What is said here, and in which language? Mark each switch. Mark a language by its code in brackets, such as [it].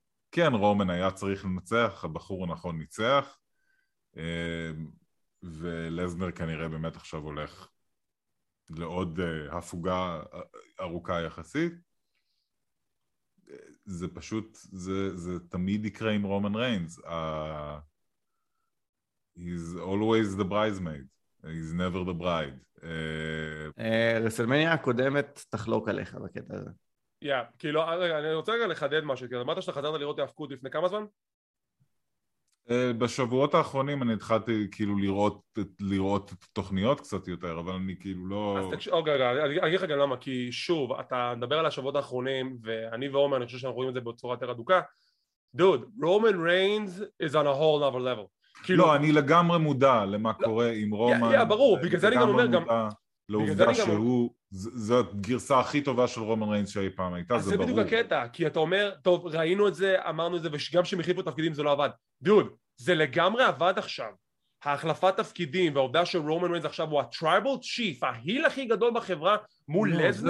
[he] כן, רומן היה צריך לנצח, הבחור הנכון ניצח, ולזנר כנראה באמת עכשיו הולך לעוד הפוגה ארוכה יחסית. זה פשוט, זה תמיד יקרה עם רומן ריינס. [en] He's always the bridesmaid. He's never the bride. [he] רסלמניה הקודמת תחלוק עליך בקטע הזה. Yeah, כאילו, רגע, אני רוצה רגע לחדד משהו, כי אמרת שאתה חזרת לראות ההפקות לפני כמה זמן? בשבועות האחרונים אני התחלתי כאילו לראות תוכניות קצת יותר, אבל אני כאילו לא... אני אגיד לך גם למה, כי שוב, אתה מדבר על השבועות האחרונים, ואני ועומר, אני חושב שאנחנו רואים את זה בצורה יותר אדוקה. [en] דוד, רומן ריינס is on a whole other level. [he] כאילו... לא, אני לגמרי מודע למה קורה עם רומן. Yeah, ברור, בגלל זה אני גם אומר גם... לעובדה שהוא, זו הגרסה הכי טובה של רומן ריינס שהיא פעם הייתה, זה ברור. אז זה בדיוק הקטע, כי אתה אומר, טוב, ראינו את זה, אמרנו את זה, וגם שמחליפו תפקידים זה לא עבד. דוד, זה לגמרי עבד עכשיו. ההחלפת תפקידים והעובדה של רומן ריינס עכשיו הוא הטרייבל צ'יף, ההיל הכי גדול בחברה מול לזנר.